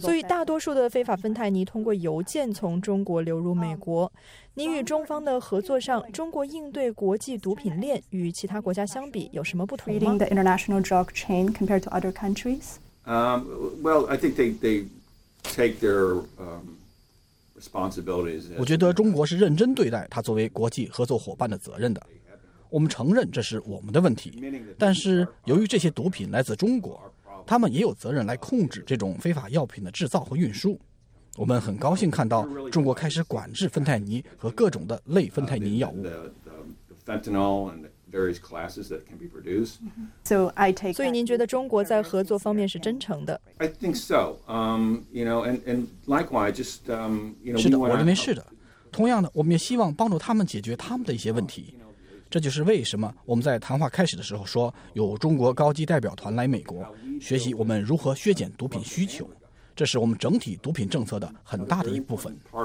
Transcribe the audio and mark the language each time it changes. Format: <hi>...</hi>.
<zh>所以大多数的非法芬太尼通过邮件从中国流入美国。您与中方的合作上，中国应对国际毒品链与其他国家相比有什么不同吗</zh> <en>？Treating the international drug chain compared to other countries. Well, I think they take their responsibilities.</en> <zh>我觉得中国是认真对待它作为国际合作伙伴的责任的。我们承认这是我们的问题，但是由于这些毒品来自中国。他们也有责任来控制这种非法药品的制造和运输。我们很高兴看到中国开始管制芬太尼和各种的类芬太尼药物。</zh> <en>So I take.</en> <zh>所以您觉得中国在合作方面是真诚的</zh> <en>？I think so. You know, and likewise, just you know.</en> <zh>是的，我认为是的。同样的，我们也希望帮助他们解决他们的一些问题。这就是为什么我们在谈话开始的时候说，有中国高级代表团来美国，学习我们如何削减毒品需求。这是我们整体毒品政策的很大的一部分。</zh>